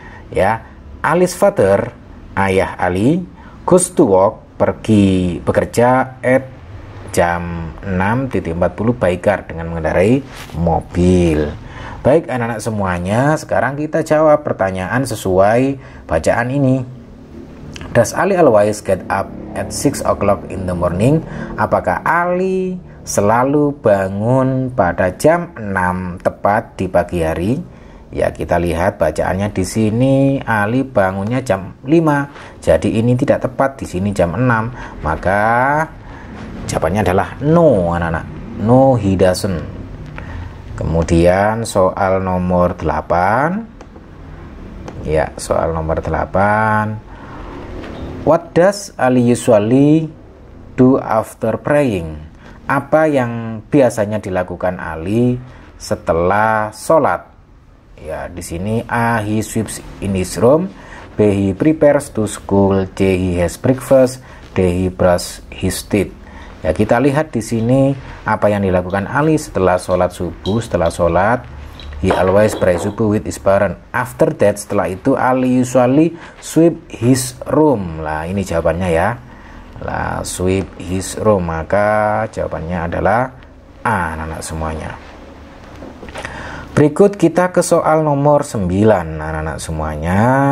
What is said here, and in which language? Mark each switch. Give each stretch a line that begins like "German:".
English: Ya, Ali's father,
Indonesian: ayah Ali,
English: goes to work,
Indonesian: pergi bekerja
English: at jam 6.40 by car,
Indonesian: dengan mengendarai mobil. Baik anak-anak semuanya, sekarang kita jawab pertanyaan sesuai bacaan ini.
English: Does Ali always get up at 6 o'clock in the morning?
Indonesian: Apakah Ali selalu bangun pada jam 6 tepat di pagi hari? Ya, kita lihat bacaannya di sini, Ali bangunnya jam 5. Jadi ini tidak tepat, di sini jam 6. Maka jawabannya adalah
English: no,
Indonesian: anak-anak.
English: No, he doesn't.
Indonesian: Kemudian soal nomor 8. Ya, soal nomor 8.
English: What does Ali usually do after praying?
Indonesian: Apa yang biasanya dilakukan Ali setelah sholat? Ya, di sini
English: A, he sweeps in his room. B, he prepares to school. C, he has breakfast. D, he brush his teeth.
Indonesian: Ya, kita lihat di sini apa yang dilakukan Ali setelah sholat subuh. Setelah sholat,
English: he always pray subuh with his parent. After that,
Indonesian: setelah itu
English: Ali usually sweep his room.
Indonesian: Lah, ini jawabannya ya. Lah,
English: sweep his room.
Indonesian: Maka jawabannya adalah A, anak-anak semuanya. Berikut kita ke soal nomor 9, anak-anak semuanya.